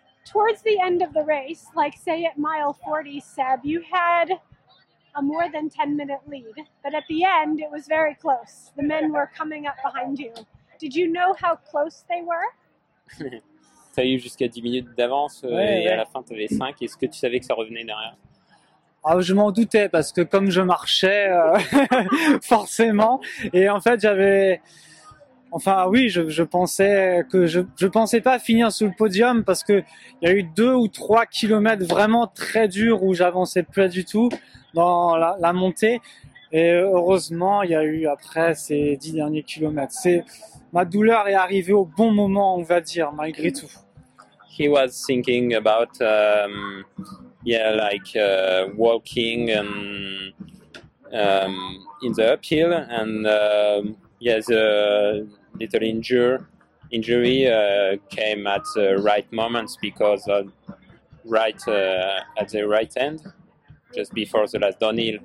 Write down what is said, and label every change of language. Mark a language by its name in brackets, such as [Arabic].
[English] towards the end of the race, like say at mile 40, Seb, you had a more than 10-minute lead, but at the end, it was very close. The men were coming up behind you. Did you know how close they were? [French] T'as eu jusqu'à 10 minutes d'avance, ouais, et ouais. À la fin, t'avais 5. Est-ce que tu savais que ça revenait derrière? Ah, je m'en doutais parce que comme je marchais forcément et en fait j'avais enfin oui je pensais que je pensais pas finir sur le podium parce que il y a eu 2 ou 3 kilomètres vraiment très durs où j'avançais pas du tout dans la montée et heureusement il y a eu après ces 10 derniers kilomètres c'est ma douleur est arrivée au bon moment on va dire malgré tout. [English] He was thinking about walking and in the uphill and the little injury came at the right moment because at the right end just before the last downhill